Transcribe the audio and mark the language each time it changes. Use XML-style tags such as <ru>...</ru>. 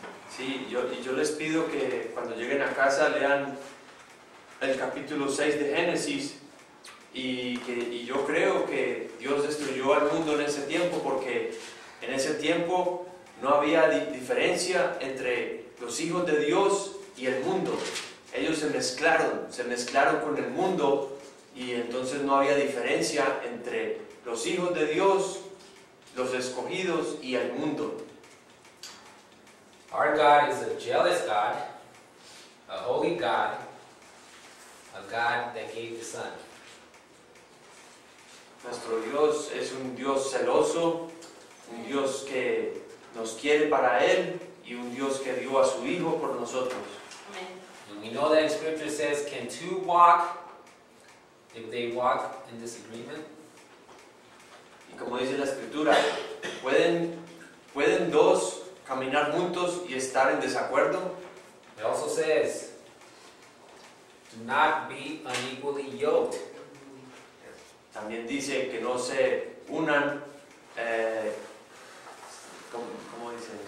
<es>Sí, yo les pido que cuando lleguen a casa lean el capítulo 6 de Génesis y yo creo que Dios destruyó al mundo en ese tiempo porque en ese tiempo no había diferencia entre los hijos de Dios y el mundo. Ellos se mezclaron con el mundo y entonces no había diferencia entre los hijos de Dios, los escogidos y el mundo.</es> <en>Our God is a jealous God, a holy God, a God that gave the Son.</en> <es>Nuestro Dios es un Dios celoso, un Dios que nos quiere para Él, y un Dios que dio a su Hijo por nosotros. Amen.</es> <en>And we know that Scripture says, can two walk if they walk in disagreement?</en> <es>Y como dice la Escritura, ¿pueden dos caminar juntos y estar en desacuerdo?</es> <en>It also says, do not be unequally yoked.</en> <es>También dice que no se unan, ¿cómo dice?</es>